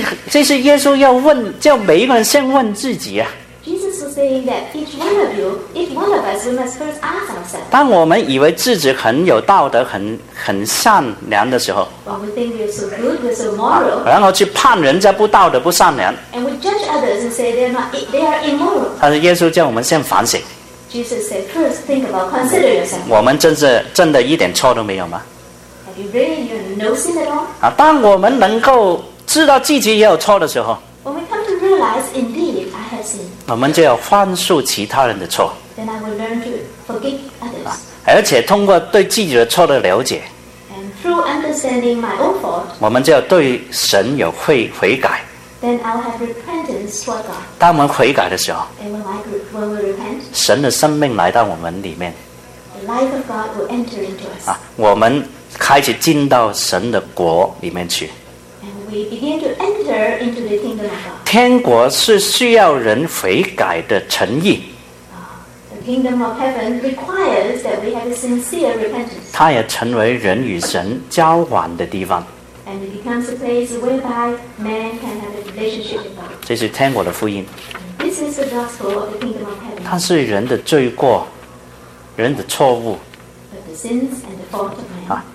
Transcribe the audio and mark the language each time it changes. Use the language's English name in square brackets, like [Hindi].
[Chinese] 这是耶稣要问，叫每一个人先问自己啊。 [English] Jesus was saying that each one of you, each one of us, we must first ask ourselves. [Chinese] 当我们以为自己很有道德、很善良的时候， [English] when we think we're so good, we're so moral. [Chinese] 然后去判人家不道德、不善良。 [English] And we judge others and say they are immoral. [Chinese] 但是耶稣叫我们先反省。 [English] Jesus said, first think about consider yourself. [Chinese] 我们真的一点错都没有吗？ [English] Have you really no sin at all? [Chinese] 当我们能够知道自己也有错的时候， [English] when we come to realize indeed. [Chinese] 我们就要宽恕其他人的错。 [English] Then I will learn to forgive others. [Chinese] 而且通过对自己的错的了解。 [English] And through understanding my own fault. [Chinese] 我们就要对神有悔改。 [English] Then I will have repentance toward God. [Chinese] 当我们悔改的时候。 [English] And when we repent. [Chinese] 神的生命来到我们里面。 [English] The life of God will enter into us. [Chinese] 我们开始进到神的国里面去。 [English] We begin to enter into the kingdom of God. [Chinese] 天国是需要人悔改的诚意。 [English] The kingdom of heaven requires that we have a sincere repentance. [Chinese] 它也成为人与神交往的地方。 [English] And it becomes a place whereby man can have a relationship with God. [Chinese] 这是天国的福音。 [English] This is the gospel of the kingdom of heaven. [Chinese] 它是人的罪过，人的错误。 [English] But the sins and the fault of man.